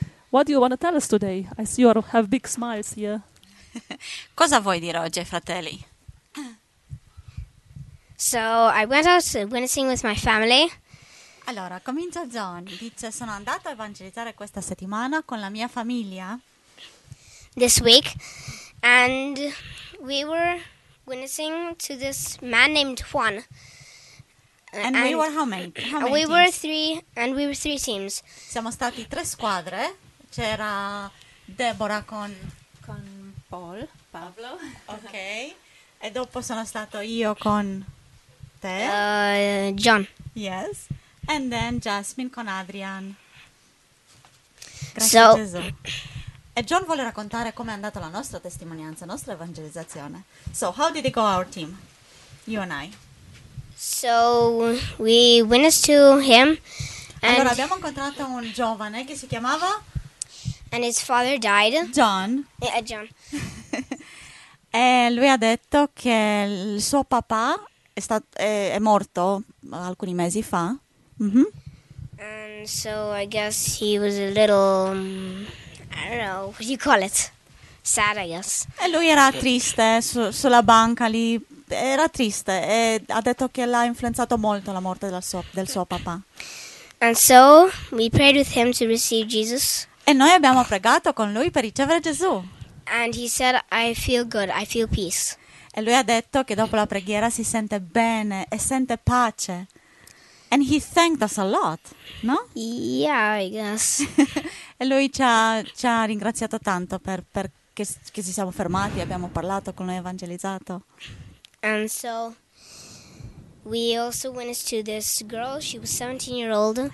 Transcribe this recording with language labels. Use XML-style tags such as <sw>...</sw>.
<en>What do you want to tell us today? I see you have big smiles here.</en> <it>Cosa vuoi dire oggi, fratelli?</it> <en>So, I went out witnessing with my family.</en> <it>Allora, comincia John. Dice, sono andato a evangelizzare questa settimana con la mia famiglia.</it> <en>This week. And we were witnessing to this man named Juan. And we were how many? How many teams? Were three, and we were three teams.</en> <it>Siamo stati tre squadre. C'era Deborah con Paul, Pablo. Ok. E dopo sono stato io con te. John.</it> <en>Yes. And then Jasmine con Adrian.</en> <it>Grazie a Gesù. E John vuole raccontare com'è andata la nostra testimonianza, la nostra evangelizzazione.</it> <en>So, how did it go our team? You and I. So, we witnessed to him. And</en> <it>allora, abbiamo incontrato un giovane che si chiamava?</it> <en>And his father died. John. Yeah, John.</en> <it>E lui ha detto che il suo papà è morto alcuni mesi fa. Mm-hmm.</it> <en>And so, I guess he was a little, I don't know, what do you call it? Sad, I guess.</en> <it>E lui era triste sulla banca lì. Era triste e ha detto che l'ha influenzato molto la morte del suo papà.</it> <en>And so we prayed with him to receive Jesus.</en> <it>E noi abbiamo pregato con lui per ricevere Gesù.</it> <en>And he said, I feel good, I feel peace.</en> <it>E lui ha detto che dopo la preghiera si sente bene e sente pace.</it> <en>And he thanked us a lot, no? Yeah, I guess.</en> <it>E lui ci ha ringraziato tanto perché ci siamo fermati, abbiamo parlato con lui, evangelizzato.</it> <en>And so we also witnessed to this girl, she was 17 years old.</en>